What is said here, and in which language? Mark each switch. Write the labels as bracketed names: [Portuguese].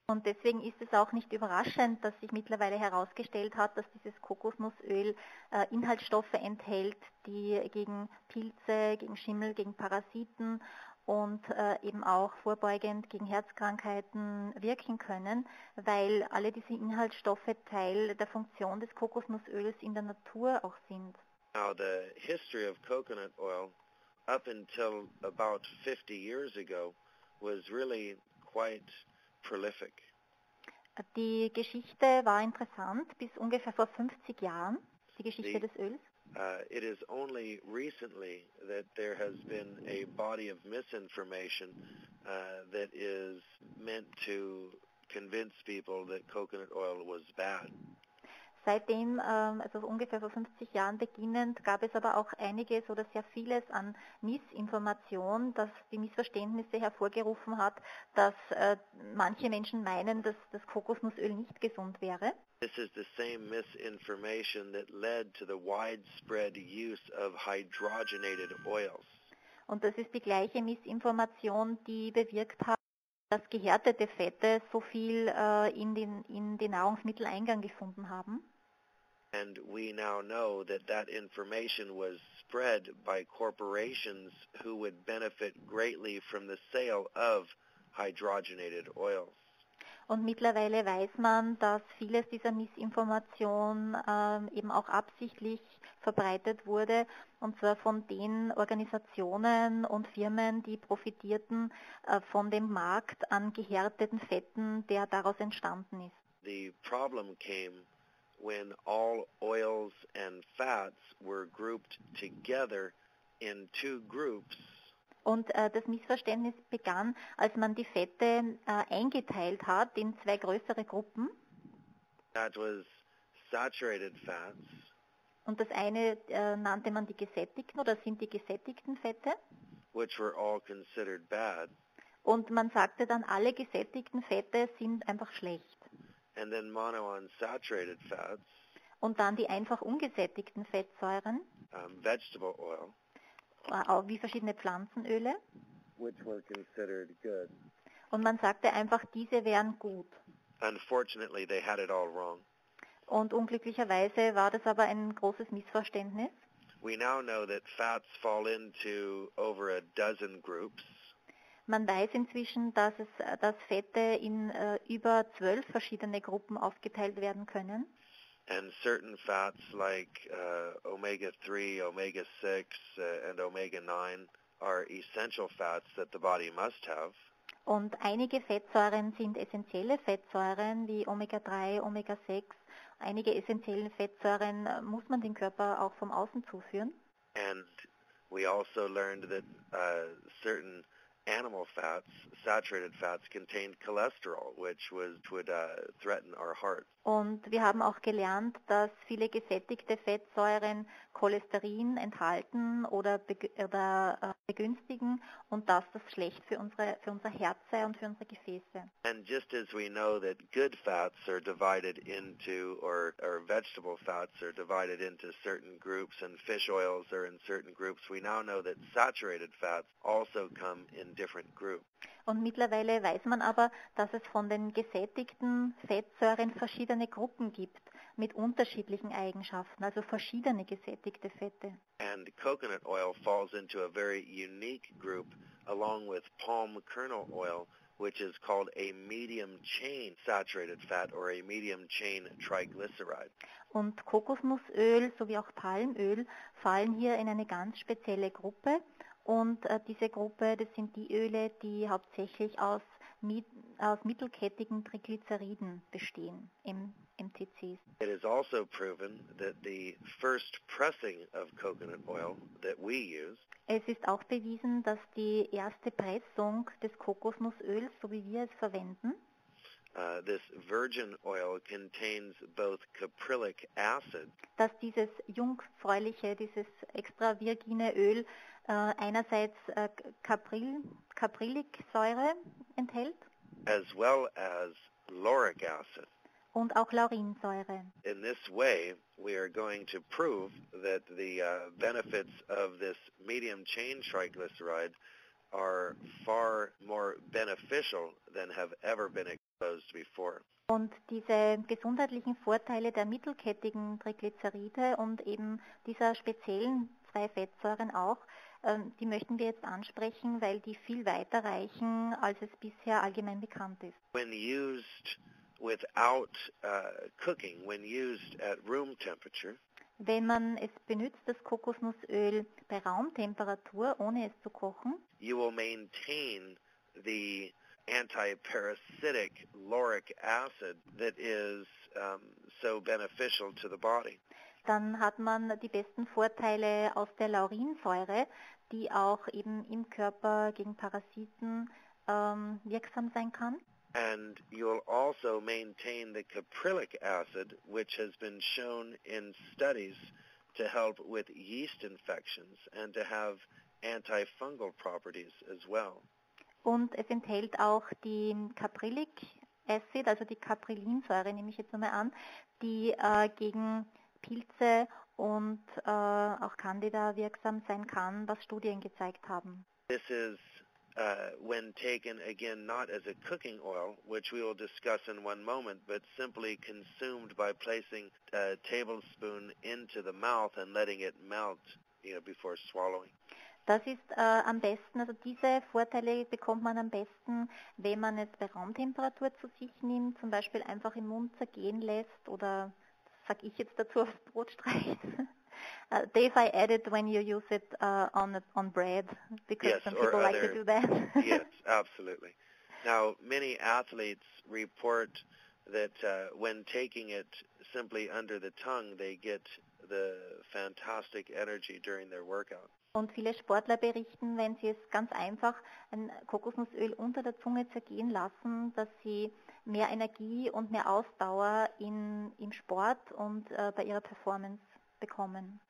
[German] Und deswegen ist es auch nicht überraschend, dass sich mittlerweile herausgestellt hat, dass dieses Kokosnussöl Inhaltsstoffe enthält, die gegen Pilze, gegen Schimmel, gegen Parasiten und eben auch vorbeugend gegen Herzkrankheiten wirken können, weil alle diese Inhaltsstoffe Teil der Funktion des Kokosnussöls in der Natur auch sind. [English] Now the history of coconut oil up until about 50 years ago was really quite prolific. [German] Die Geschichte war interessant bis ungefähr vor 50 Jahren, die Geschichte des Öls. [English] It is only recently that there has been a body of misinformation that is meant to convince people that coconut oil was bad. [German] Seitdem, also ungefähr vor 50 Jahren beginnend, gab es aber auch einiges oder sehr vieles an Missinformation, das die Missverständnisse hervorgerufen hat, dass manche Menschen meinen, dass das Kokosnussöl nicht gesund wäre. [English] This is the same misinformation that led to the widespread use of hydrogenated oils. [German] Und das ist die gleiche Missinformation, die bewirkt hat, dass gehärtete Fette so viel in den Nahrungsmittel Eingang gefunden haben. [English] And we now know that that information was spread by corporations who would benefit greatly from the sale of hydrogenated oils. [German] Und mittlerweile weiß man, dass vieles dieser Missinformation eben auch absichtlich verbreitet wurde, und zwar von den Organisationen und Firmen, die profitierten von dem Markt an gehärteten Fetten, der daraus entstanden ist. [English] The problem came when all oils and fats were grouped together in two groups. [German] Und das Missverständnis begann, als man die Fette eingeteilt hat in zwei größere Gruppen. [English] That was saturated fats. [German] Und das eine nannte man die gesättigten oder sind die gesättigten Fette. [English] Which were all considered bad. [German] Und man sagte dann, alle gesättigten Fette sind einfach schlecht. [English] And then monounsaturated fats. [German] Und dann die einfach ungesättigten Fettsäuren. [English] Vegetable oil. [German] Auch wie verschiedene Pflanzenöle. [English] Which were considered good. [German] Und man sagte einfach, diese wären gut. [English] Unfortunately, they had it all wrong. [German] Und unglücklicherweise war das aber ein großes Missverständnis. [English] We now know that fats fall into over a dozen groups. [German] Man weiß inzwischen, dass Fette in über 12 verschiedene Gruppen aufgeteilt werden können. [English] And certain fats like omega-3, omega-6 and omega-9 are essential fats that the body must have. [German] Und einige Fettsäuren sind essentielle Fettsäuren wie omega-3, omega-6. Einige essentiellen Fettsäuren muss man dem Körper auch vom Außen zuführen. [English] And we also learned that certain animal fats, saturated fats, contained cholesterol, which would threaten our heart. [German] Und wir haben auch gelernt, dass viele gesättigte Fettsäuren Cholesterin enthalten oder begünstigen und dass das schlecht für unser Herz sei und für unsere Gefäße. [English] And just as we know that good fats are divided into or vegetable fats are divided into certain groups and fish oils are in certain groups, we now know that saturated fats also come in different groups. [German] Und mittlerweile weiß man aber, dass es von den gesättigten Fettsäuren verschiedene Gruppen gibt mit unterschiedlichen Eigenschaften, also verschiedene gesättigte Fette. [English] And coconut oil falls into a very unique group along with palm kernel oil, which is called a medium chain saturated fat or a medium chain triglyceride. [German] Und Kokosnussöl sowie auch Palmöl fallen hier in eine ganz spezielle Gruppe. Und diese Gruppe, das sind die Öle, die hauptsächlich aus mittelkettigen Triglyceriden bestehen, MCTs. [English] It is also proven that the first pressing of coconut oil that we use, [German] es ist auch bewiesen, dass die erste Pressung des Kokosnussöls, so wie wir es verwenden, [English] this virgin oil contains both caprylic acid, [German] dass dieses jungfräuliche, dieses extra virgine Öl, einerseits Caprylicsäure enthält, [English] as well as lauric acid, [German] und auch Laurinsäure. [English] In this way, we are going to prove that the benefits of this medium chain triglyceride are far more beneficial than have ever been exposed before. [German] Und diese gesundheitlichen Vorteile der mittelkettigen Triglyceride und eben dieser speziellen zwei Fettsäuren auch, die möchten wir jetzt ansprechen, weil die viel weiter reichen, als es bisher allgemein bekannt ist. [English] When used without cooking, when used at room temperature, [German] wenn man es benutzt, das Kokosnussöl, bei Raumtemperatur, ohne es zu kochen, [English] you will maintain the anti-parasitic lauric acid that is so beneficial to the body. [German] Dann hat man die besten Vorteile aus der Laurinsäure, die auch eben im Körper gegen Parasiten wirksam sein kann. [English] And you'll also maintain the caprylic acid, which has been shown in studies to help with yeast infections and to have antifungal properties as well. [German] Und es enthält auch die caprylic acid, also die Caprylinsäure, nehme ich jetzt mal an, die gegen Pilze und auch Candida wirksam sein kann, was Studien gezeigt haben. [English] This is when taken again not as a cooking oil, which we will discuss in one moment, but simply consumed by placing a tablespoon into the mouth and letting it melt, you know, before swallowing. [German] Das ist am besten, also diese Vorteile bekommt man am besten, wenn man es bei Raumtemperatur zu sich nimmt, zum Beispiel einfach im Mund zergehen lässt oder sag ich jetzt dazu aufs Brot streichen. [English] Dave, I added when you use it on bread, because yes, some people like to do that. Yes, absolutely. Now, many athletes report that when taking it simply under the tongue, they get the fantastic energy during their workout. [German] Und viele Sportler berichten, wenn sie es ganz einfach ein Kokosnussöl unter der Zunge zergehen lassen, dass sie mehr Energie und mehr Ausdauer im Sport und bei ihrer Performance bekommen.